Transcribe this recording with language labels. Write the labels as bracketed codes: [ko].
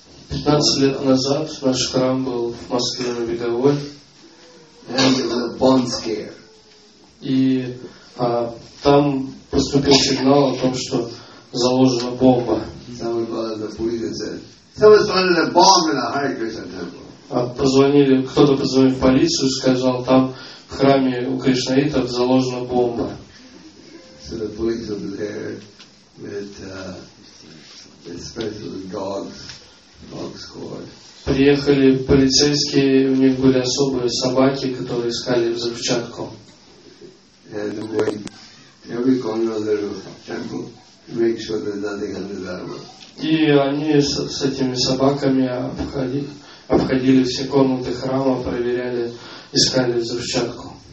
[ru] 15 лет назад наш храм был в Москве на Беговой. [en] And there was a bomb scare. [ru] И там поступил сигнал о том, что заложена бомба. [en] Someone called the police and said, someone's planted a bomb in a Hare Krishna temple. [ru] Кто-то позвонил в полицию и сказал, там в храме у Кришнаитов заложена бомба. [en] So the police were there with special dog squad. [ru] Приехали полицейские, у них были особые собаки, которые искали взрывчатку. [en] And when every corner of the temple, make sure there's nothing under the armor. [ru] И они с этими собаками обходили все комнаты храма, проверяли, искали взрывчатку.